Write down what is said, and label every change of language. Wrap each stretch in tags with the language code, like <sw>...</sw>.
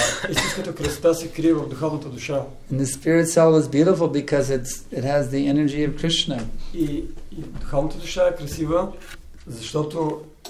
<bg>Истинската кръста се крие в духовната душа.</bg> <en>And the spirit soul is beautiful because it has the energy of Krishna.</en> <bg>И духовната душа е красива, защото</bg>